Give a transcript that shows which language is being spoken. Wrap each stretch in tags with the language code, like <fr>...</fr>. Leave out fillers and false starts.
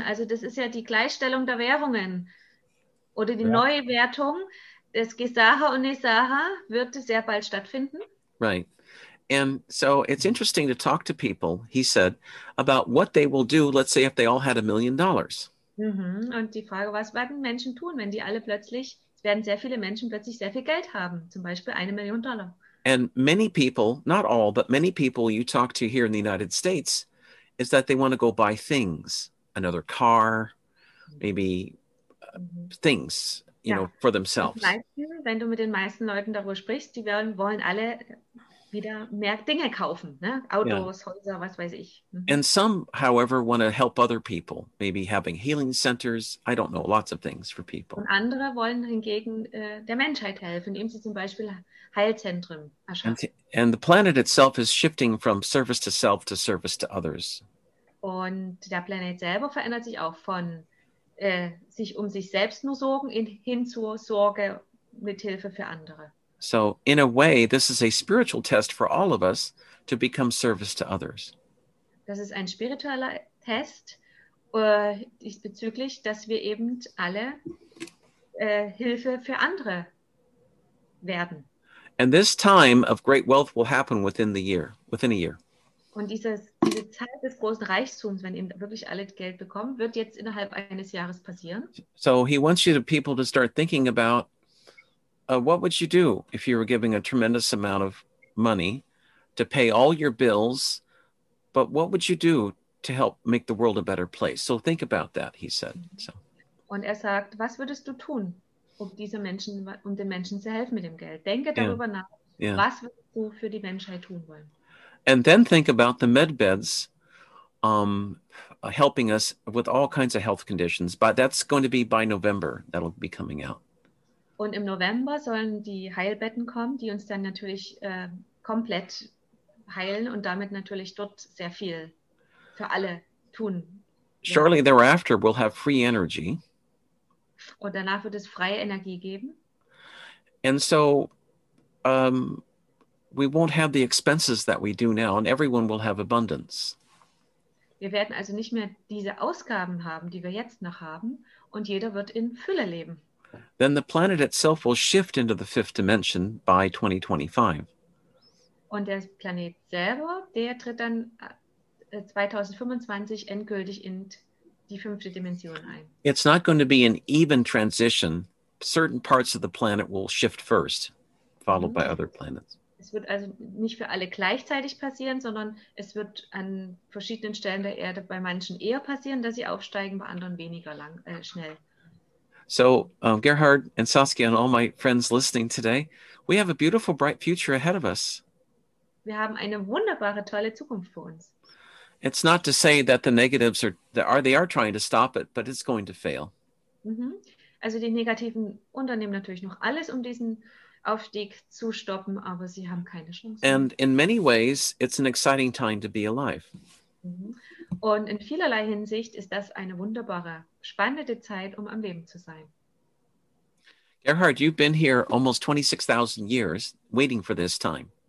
<de>Also das ist ja die Gleichstellung der Währungen. Oder die neue Wertung des Gesara und Nisara wird sehr bald stattfinden.</de> <en>Right. And so it's interesting to talk to people, he said, about what they will do, let's say, if they all had $1 million.</en> <de>Und die Frage, was werden Menschen tun, wenn die alle plötzlich, es werden sehr viele Menschen plötzlich sehr viel Geld haben, zum Beispiel $1 million.</de> <en>And many people, not all, but many people you talk to here in the United States, is that they want to go buy things, another car, maybe things, you know, for themselves.</en> <de>Wenn du mit den meisten Leuten darüber sprichst, die wollen alle wieder mehr Dinge kaufen, ne? Autos, Häuser, was weiß ich.</de> <en>And some, however, want to help other people, maybe having healing centers, I don't know, lots of things for people.</en> <de>Und andere wollen hingegen der Menschheit helfen, indem sie zum Beispiel Heilzentren erschaffen.</de> <en>And the planet itself is shifting from service to self to service to others.</en> <de>Und der Planet selber verändert sich auch von sich um sich selbst nur sorgen hin zur Sorge mit Hilfe für andere.</de> <en>So in a way, this is a spiritual test for all of us to become service to others.</en> <de>Das ist ein spiritueller Test diesbezüglich, dass wir eben alle Hilfe für andere werden.</de> <en>And this time of great wealth will happen within the year, within a year.</en> <de>Und diese Zeit des großen Reichtums, wenn eben wirklich alle Geld bekommen, wird jetzt innerhalb eines Jahres passieren.</de> <en>So he wants you to people to start thinking about what would you do if you were giving a tremendous amount of money to pay all your bills, but what would you do to help make the world a better place? So think about that, he said. So.</en> <de>Und er sagt, was würdest du tun, um den Menschen zu helfen mit dem Geld? Denke darüber nach, was würdest du für die Menschheit tun wollen?</de> <en>And then think about the med beds helping us with all kinds of health conditions. But that's going to be by November. That'll be coming out.</en> <de>Und im November sollen die Heilbetten kommen, die uns dann natürlich komplett heilen und damit natürlich dort sehr viel für alle tun.</de> <en>Shortly thereafter, we'll have free energy.</en> <de>Und danach wird es freie Energie geben.</de> <en>And so we won't have the expenses that we do now, and everyone will have abundance.</en> <de>Wir werden also nicht mehr diese Ausgaben haben, die wir jetzt noch haben, und jeder wird in Fülle leben.</de> <en>Then the planet itself will shift into the fifth dimension by 2025.</en> <de>Und der Planet selber, der tritt dann 2025 endgültig in die fünfte Dimension ein.</de> <en>It's not going to be an even transition. Certain parts of the planet will shift first, followed by other planets.</en> <de>Es wird also nicht für alle gleichzeitig passieren, sondern es wird an verschiedenen Stellen der Erde bei manchen eher passieren, dass sie aufsteigen, bei anderen weniger schnell.</de> <en>So, Gerhard and Saskia and all my friends listening today, we have a beautiful, bright future ahead of us.</en> <de>Wir haben eine wunderbare, tolle Zukunft vor uns.</de> <en>It's not to say that the negatives are trying to stop it, but it's going to fail. Mm-hmm.</en> <de>Also die Negativen unternehmen natürlich noch alles, um diesen Aufstieg zu stoppen, aber sie haben keine Chance.</de> <en>And in many ways, it's an exciting time to be alive.</en> <de>Und in vielerlei Hinsicht ist das eine wunderbare, spannende Zeit, um am Leben zu sein.</de> <en>Gerhard, you've been here almost 26,000 years waiting for this time.</en>